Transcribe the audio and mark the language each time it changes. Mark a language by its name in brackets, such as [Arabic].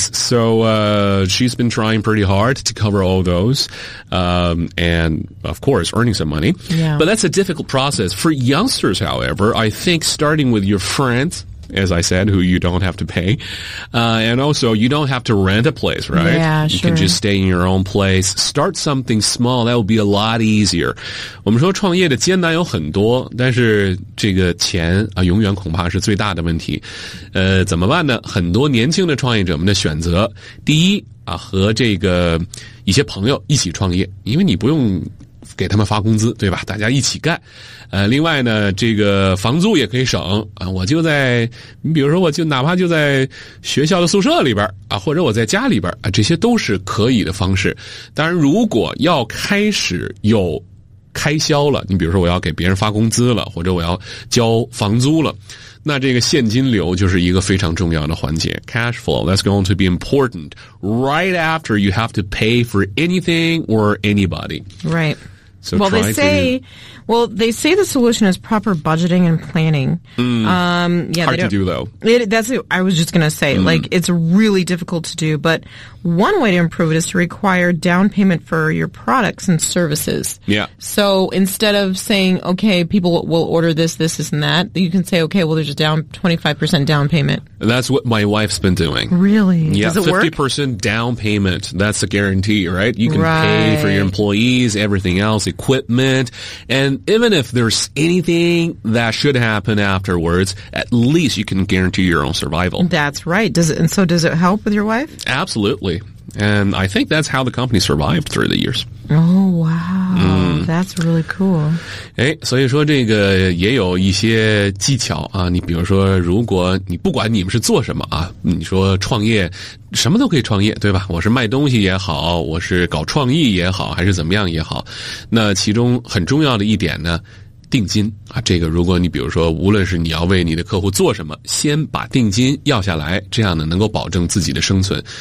[English] So she's been trying pretty hard to cover all those, and of course, earning some money. Yeah. But that's a difficult process. For youngsters, however, I think starting with your friends, as I said, who you don't have to pay, and also you don't have to rent a place, right? Yeah, sure. You can just stay in your own place. Start something small. That will be a lot easier. [Chinese] 我们说创业的艰难有很多，但是这个钱啊，永远恐怕是最大的问题。怎么办呢？很多年轻的创业者们的选择，第一啊，和这个一些朋友一起创业，因为你不用给他们发工资，对吧？大家一起干。另外呢，这个房租也可以省啊。我就在，比如说，我就哪怕就在学校的宿舍里边啊，或者我在家里边啊，这些都是可以的方式。当然，如果要开始有开销了，你比如说我要给别人发工资了，或者我要交房租了，那这个现金流就是一个非常重要的环节。 [English] Cash flow, that's going to be important right after you have to pay for anything or anybody. Right. So well, they say the solution is proper budgeting and planning. I was just going to say, like, it's really difficult to do. But one way to improve it is to require down payment for your products and services. Yeah. So instead of saying, okay, people will order this, this, this, and that, you can say, okay, well, there's a down 25% down payment. That's what my wife's been doing. Really? Yeah, does it 50% work? Down payment. That's a guarantee, right? You can right. pay for your employees, everything else, equipment. And even if there's anything that should happen afterwards, at least you can guarantee your own survival. That's right. Does it help with your wife? Absolutely. And I think that's how the company survived through the years. Oh, wow. Mm. That's really cool. [Chinese] 所以说这个也有一些技巧啊。你比如说如果你不管你们是做什么啊，你说创业什么都可以创业，对吧？我是卖东西也好，我是搞创意也好，还是怎么样也好。那其中很重要的一点呢，定金啊，这个如果你比如说无论是你要为你的客户做什么，先把定金要下来，这样呢能够保证自己的生存。